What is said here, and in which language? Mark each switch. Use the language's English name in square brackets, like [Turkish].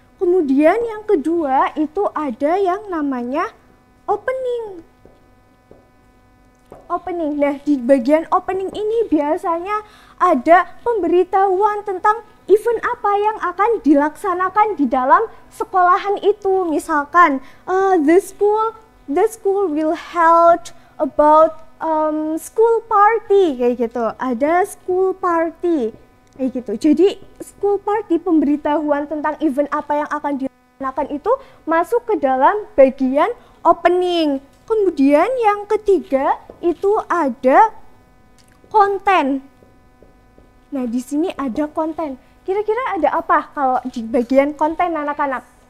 [Indonesian] Kemudian yang kedua itu ada yang namanya opening. Opening, nah di bagian opening ini biasanya ada pemberitahuan tentang event apa yang akan dilaksanakan di dalam sekolahan itu. [English] Misalkan, the school will held about school party, [Indonesian] kayak gitu. Ada school party. Kayak gitu. Jadi school party, pemberitahuan tentang event apa yang akan dilaksanakan itu masuk ke dalam bagian opening. Kemudian yang ketiga itu ada konten. Nah, di sini ada konten. Kira-kira ada apa kalau di bagian konten anak-anak?